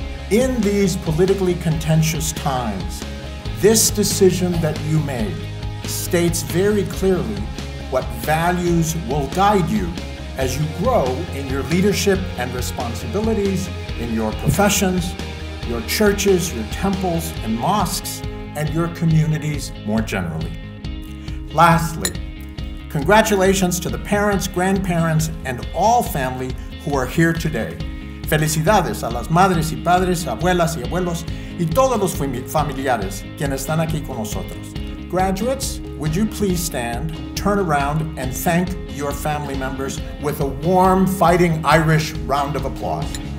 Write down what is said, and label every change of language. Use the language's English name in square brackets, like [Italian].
[English] In these politically contentious times, this decision that you made states very clearly what values will guide you as you grow in your leadership and responsibilities in your professions, your churches, your temples and mosques, and your communities more generally. Lastly, congratulations to the parents, grandparents, and all family who are here today. [Spanish] Felicidades a las madres y padres, abuelas y abuelos, y todos los familiares quienes están aquí con nosotros. [English] Graduates, would you please stand, turn around, and thank your family members with a warm, fighting Irish round of applause.